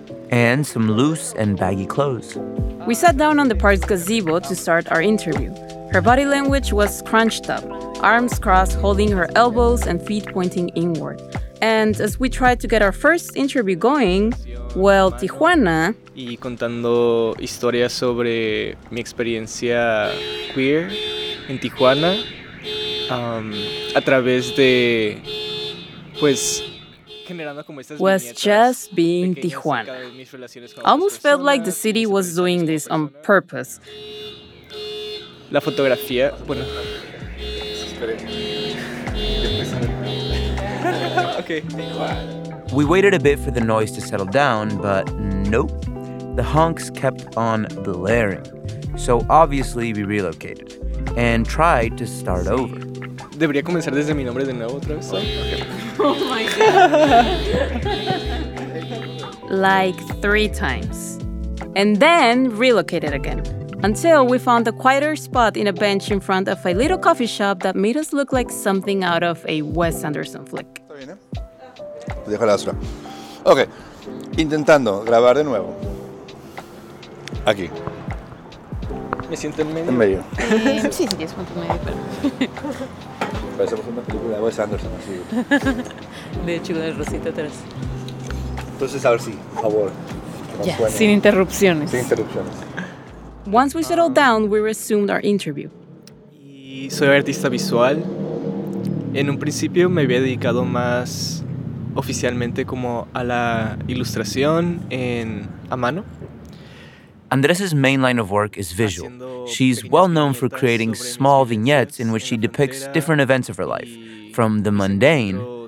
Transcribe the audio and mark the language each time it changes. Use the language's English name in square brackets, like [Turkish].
[English] and some loose and baggy clothes. We sat down on the park's gazebo to start our interview. Her body language was crunched up, arms crossed, holding her elbows and feet pointing inward. And as we tried to get our first interview going, well, Tijuana... [Spanish] Y contando historias sobre mi experiencia queer en Tijuana, a través de, pues... [English] was just being Tijuana. Almost felt like the city was doing this on purpose. [Spanish] La fotografía, bueno. [English] Okay. We waited a bit for the noise to settle down, but nope. The honks kept on blaring. So obviously we relocated and tried to start over. [Spanish] Debería comenzar desde mi nombre de nuevo otra vez. [English] Oh my god. Like 3 times. And then relocated again. Until we found a quieter spot in a bench in front of a little coffee shop that made us look like something out of a Wes Anderson flick. [Spanish] Dejo la basura. Okay. Intentando grabar de nuevo. Aquí. Me siento en medio. En medio. Sí, sí, es punto medio, pero. Parecemos una película de Wes Anderson, así. De hecho, con el rosito atrás. Entonces, a ver si, por favor. Ya, yeah, sin interrupciones. Sin interrupciones. [English] Once we settled down, we resumed our interview. [Spanish] Y soy artista visual. En un principio me había dedicado más oficialmente como a la ilustración en a mano. [English] Andres's main line of work is visual. She's well known for creating small vignettes in which she depicts different events of her life, from the mundane,